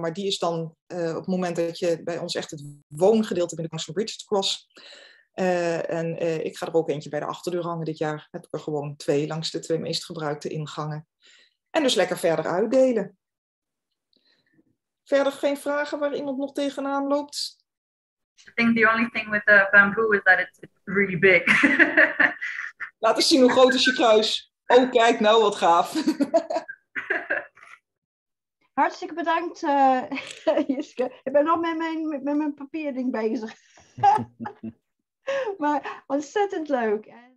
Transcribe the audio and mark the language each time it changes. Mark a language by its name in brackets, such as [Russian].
[Dutch] Maar die is dan op het moment dat je bij ons echt het woongedeelte binnenkomt van Bridget Cross. Ik ga er ook eentje bij de achterdeur hangen dit jaar. Heb ik er gewoon twee langs de twee meest gebruikte ingangen. En dus lekker verder uitdelen. Verder geen vragen waar iemand nog tegenaan loopt? [English] I think the only thing with the bamboo is that it's really big. [Dutch] Laat eens zien hoe groot is je kruis. Oh, kijk nou, wat gaaf. Hartstikke bedankt, Jiske. Ik ben nog met mijn papierding bezig. Maar ontzettend leuk.